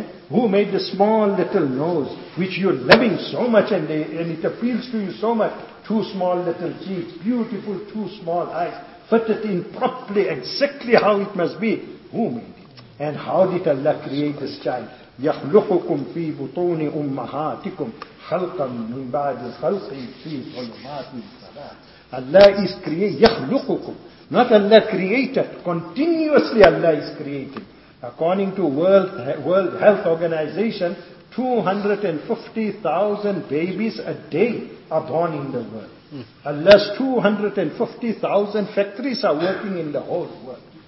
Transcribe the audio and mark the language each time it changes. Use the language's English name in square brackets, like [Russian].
[English] Who made the small little nose, which you're loving so much, and it appeals to you so much? Two small little cheeks, beautiful two small eyes, fitted in properly, exactly how it must be. Who made it? And how did Allah create this child? [Arabic] يَخْلُقُكُمْ فِي بُطُونِ أُمَّهَاتِكُمْ خَلْقًا مِنْ بَعْدِ خَلْقٍ فِي ظُلُمَاتِ [English] Allah is created, [Arabic] يَخْلُقُكُمْ. [English] Not Allah created, continuously Allah is creating. According to World Health Organization, 250,000 babies a day are born in the world. Allah's 250,000 factories are working in the whole world.